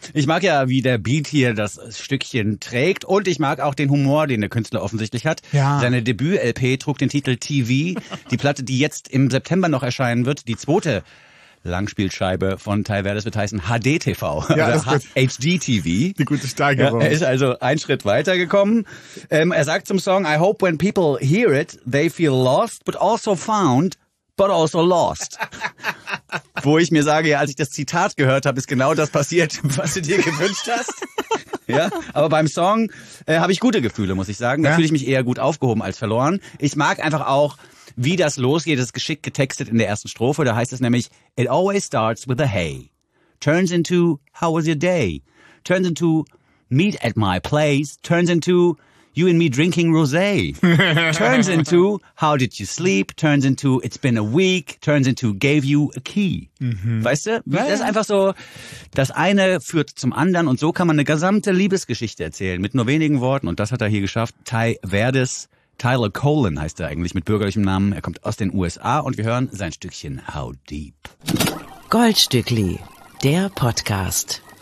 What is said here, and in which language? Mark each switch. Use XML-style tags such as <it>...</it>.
<de>Ich mag ja, wie der Beat hier das Stückchen trägt. Und ich mag auch den Humor, den der Künstler offensichtlich hat. Ja. Seine Debüt-LP trug den Titel TV. Die Platte, die jetzt im September noch erscheinen wird, die zweite Langspielscheibe von Ty Verdes wird heißen HDTV, ja, oder HDTV. Die gute Steigerung. Ja, er ist also einen Schritt weiter gekommen. Er sagt zum Song,</de> <en>I hope when people hear it, they feel lost, but also found, but also lost.</en> <de>Wo ich mir sage, ja, als ich das Zitat gehört habe, ist genau das passiert, was du dir gewünscht hast. Ja, aber beim Song habe ich gute Gefühle, muss ich sagen. Da fühle ich mich eher gut aufgehoben als verloren. Ich mag einfach auch, wie das losgeht, ist geschickt getextet in der ersten Strophe. Da heißt es nämlich,</de> <en>it always starts with a hey. Turns into, how was your day? Turns into, meet at my place. Turns into, you and me drinking rosé. Turns into, how did you sleep? Turns into, it's been a week. Turns into, gave you a key. Mhm.</en> <de>Weißt du? Das ist einfach so, das eine führt zum anderen. Und so kann man eine gesamte Liebesgeschichte erzählen. Mit nur wenigen Worten. Und das hat er hier geschafft. Ty Verdes. Tyler Colon heißt er eigentlich mit bürgerlichem Namen. Er kommt aus den USA und wir hören sein Stückchen How Deep. Goldstückli, der Podcast.</de>